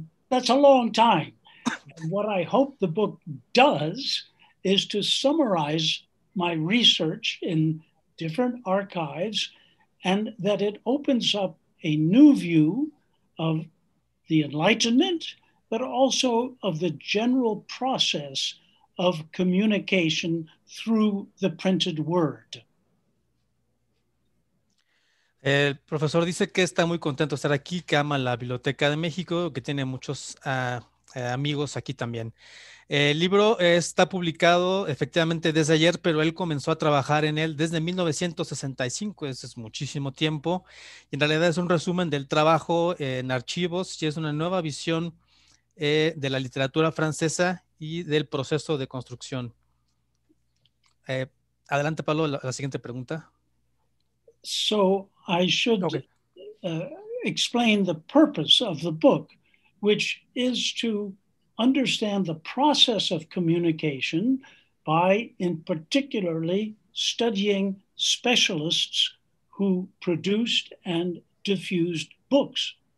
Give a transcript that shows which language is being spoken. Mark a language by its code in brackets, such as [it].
[en] That's a long time. And what I hope the book does is to summarize my research in different archives, and that it opens up a new view of the Enlightenment, but also of the general process of communication through the printed word. [es] El profesor dice que está muy contento de estar aquí, que ama la Biblioteca de México, que tiene muchos amigos aquí también. El libro está publicado efectivamente desde ayer, pero él comenzó a trabajar en él desde 1965, eso es muchísimo tiempo. Y en realidad es un resumen del trabajo en archivos y es una nueva visión de la literatura francesa y del proceso de construcción. Adelante, Pablo, la siguiente pregunta. [en] So I should explain the purpose of the book, which is to understand the process of communication by, in particularly, studying specialists who produced and diffused books.